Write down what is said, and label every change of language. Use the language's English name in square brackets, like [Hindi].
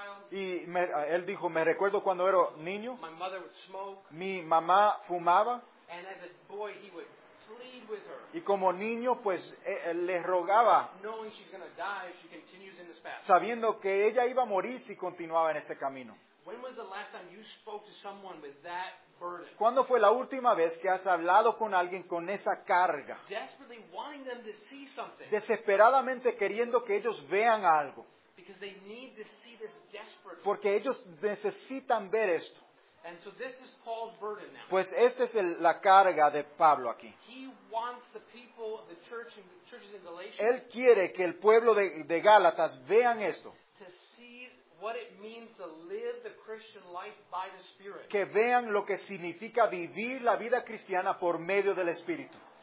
[Spanish] Y él dijo, me recuerdo cuando era niño, mi mamá fumaba. [English] And as a boy, he would plead with her, [Spanish] y como niño, pues, le rogaba, [English] knowing she's gonna die if she continues in this path. [Spanish] Sabiendo que ella iba a morir si continuaba en este camino. [English] When was the last time you spoke to someone with that burden? [Spanish] ¿Cuándo fue la última vez que has hablado con alguien con esa carga? [English] Desperately wanting them to see something. [Spanish] Desesperadamente queriendo que ellos vean algo. [English] Because they need to see this desperately. [Spanish] Porque ellos necesitan ver esto. [English] And so this is Paul's burden now. [Spanish] Pues esta es la carga de Pablo aquí. [English] He wants the people, the church, the churches in Galatia. [Spanish] Él quiere que el pueblo de Gálatas vean esto. [English] To see what it means to live the Christian life by the Spirit. [Spanish] Que vean lo que significa vivir la vida cristiana por medio del Espíritu.